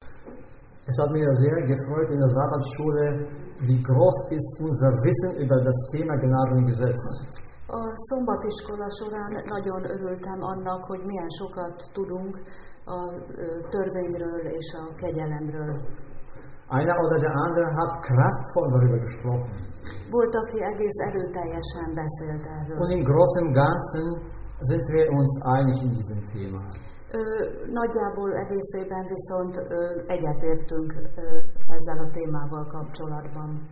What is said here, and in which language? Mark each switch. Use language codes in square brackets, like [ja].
[de] Es hat mich sehr gefreut in der Sabbatschule, wie groß ist unser Wissen über das Thema Gnade und Gesetz. [hu] A szombatiskola során nagyon örültem annak, hogy milyen sokat tudunk a törvényről és a kegyelemről. [de] Einer oder der andere hat kraftvoll darüber gesprochen. [hu] Volt, aki egész erőteljesen beszélt erről. [de] Und im großen Ganzen sind wir uns einig in diesem Thema. [hu] Nagyjából egészében viszont egyetértünk ezzel a témával kapcsolatban.